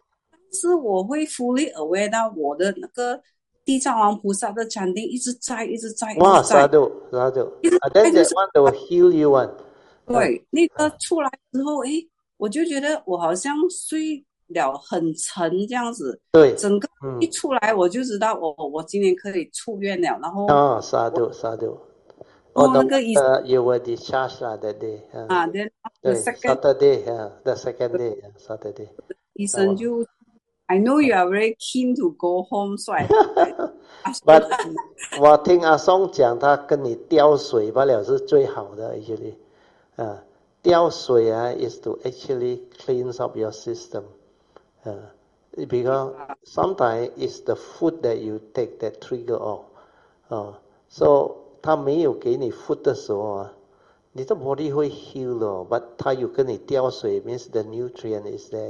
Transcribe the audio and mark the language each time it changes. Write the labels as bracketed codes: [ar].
[zh] 但是我会 [en] fully aware [zh] 到我的那个地藏王菩萨的禅定一直在，一直在，哇，沙度沙度，啊 [en] ，that's the one that will heal you one。 [zh] 对，那个出来之后，哎，我就觉得我好像睡了很沉这样子。对，整个一出来我就知道我今年可以出院了，然后啊，沙度沙度。 [en] You were discharged that day. Then the Saturday. [zh] 医生就 [en] I know you are very keen to go home, so I. [zh] But 我听阿松讲，他跟你吊水罢了，是最好的 actually. 吊水啊 [en] is to actually cleanse up your system. Because sometimes it's the food that you take that trigger off. So. [zh] 他没有给你 food 的时候、你的 body 会 heal 哦 ，but 他有跟你吊水 ， [en] means the nutrient is there.